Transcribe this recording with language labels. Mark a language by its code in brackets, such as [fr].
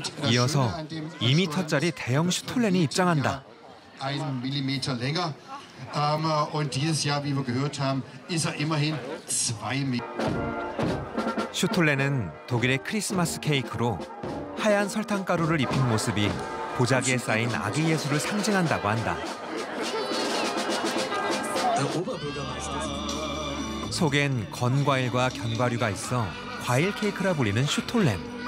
[ko] 이어서 2m짜리 대형 슈톨렌이 입장한다. [de] einen Millimeter länger. Und dieses Jahr, wie wir gehört haben, ist immerhin 2 Millimeter. [ko] 슈톨레는 독일의 크리스마스 케이크로 하얀 설탕 가루를 입힌 모습이 보자기에 쌓인 아기 예수를 상징한다고 한다. 속엔 건과일과 견과류가 있어 과일 케이크라 불리는 슈톨렌.